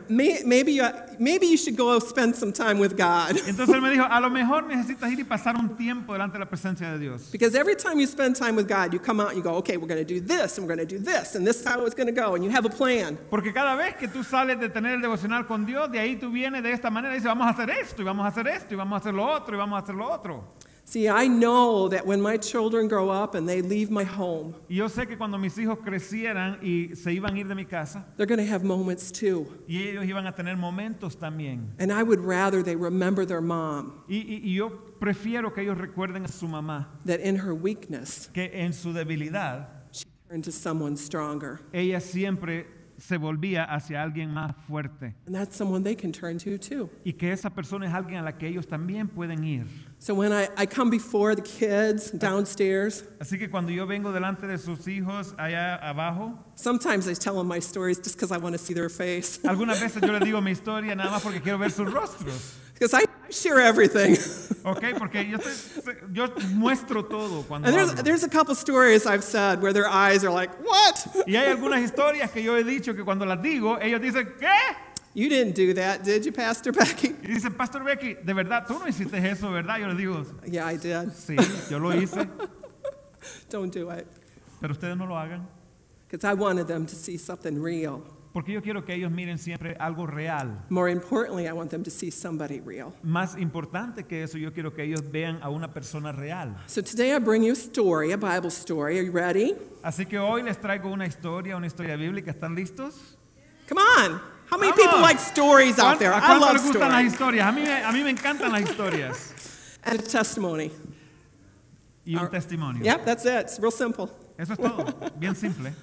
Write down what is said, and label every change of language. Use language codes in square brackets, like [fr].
[en] Maybe you should go spend some time with God. [es] Entonces él me dijo, a lo mejor necesitas ir y pasar un tiempo delante de la presencia de Dios. [en] Because every time you spend time with God, you come out and you go, okay, we're going to do this, and we're going to do this, and this is how it's going to go, and you have a plan. [es] Porque cada vez que tú sales de tener el devocional con Dios, de ahí tú vienes de esta manera y dices, vamos a hacer esto, y vamos a hacer esto, y vamos a hacer lo otro, y vamos a hacer lo otro. [en] See, I know that when my children grow up and they leave my home, [es] yo sé que cuando mis hijos crecieran y se iban a ir de mi casa, [en] they're going to have moments too. [es] Y ellos iban a tener momentos también. [en] And I would rather they remember their mom. [es] Y yo prefiero que ellos recuerden a su mamá. [en] That in her weakness, [es] que en su debilidad, [en] she turned to someone stronger. [es] Ella siempre se volvía hacia alguien más fuerte. [en] And that's someone they can turn to too. [es] Y que esa persona es alguien a la que ellos también pueden ir. [en] So when I come before the kids downstairs, [es] así que cuando yo vengo delante de sus hijos allá abajo, [en] sometimes I tell them my stories just because I want to see their face. [es] Algunas veces yo les digo mi historia nada más porque quiero ver sus rostros. [en] Because I share everything. [es] Okay, porque yo muestro todo cuando. [en] And there's a couple stories I've said where their eyes are like, what? [es] Y hay algunas historias que yo he dicho que cuando las digo ellos dicen ¿qué? [en] You didn't do that, did you, Pastor Becky? [es] Y dice, Pastor Becky, de verdad, tú no hiciste eso, ¿verdad? Yo le digo, [en] yeah, I did. [es] Sí, yo lo hice. [en] Don't do it. [es] Pero ustedes no lo hagan. [en] Because I wanted them to see something real. [es] Porque yo quiero que ellos miren siempre algo real. [en] More importantly, I want them to see somebody real. [es] Más importante que eso, yo quiero que ellos vean a una persona real. [en] So today I bring you a story, a Bible story. Are you ready? [es] Así que hoy les traigo una historia bíblica. ¿Están listos? [en] Come on. How many people like stories out there? [es] ¿A cuánto les gustan las historias? A mí me encantan las historias. [en] And a testimony. [es] Y un testimonio. [en] Yep, that's it. It's real simple. [es] Eso es todo. Bien simple.